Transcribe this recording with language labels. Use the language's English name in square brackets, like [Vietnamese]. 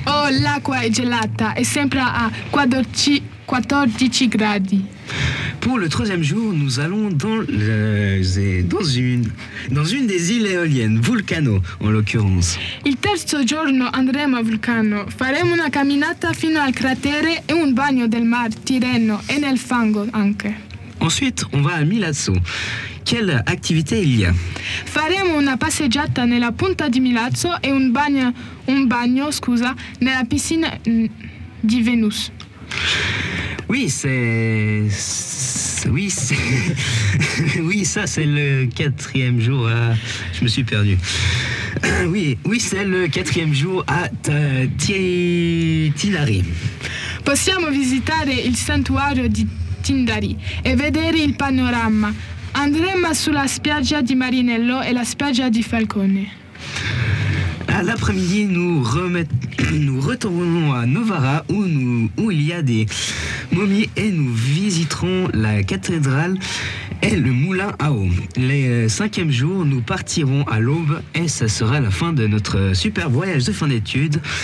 [Italian] Oh, l'acqua è gelata, è sempre a 14 gradi. [French] Pour le troisième jour, nous allons dans une des îles éoliennes, Vulcano en l'occurrence. [Italian] Il terzo giorno andremo a Vulcano. Faremo una camminata fino al cratere e un bagno del mar Tirreno e nel fango anche. [French] Ensuite, on va à Milazzo. Quelle activité il y a? [Italian] Faremo una passeggiata nella punta di Milazzo e un bagno, nella piscina di Venus. [French] Oui, ça c'est le quatrième jour à... Je me suis perdu. Oui, c'est le quatrième jour à Tindari. [Italian] Possiamo visitare il santuario di Tindari e vedere il panorama. A Andremo sulla spiaggia di Marinello e la spiaggia di Falcone. [French] À l'après-midi, nous retournons à Novara où il y a des momies et nous visiterons la cathédrale et le moulin à eau. Les cinquième jour, nous partirons à l'aube et ça sera la fin de notre super voyage de fin d'études.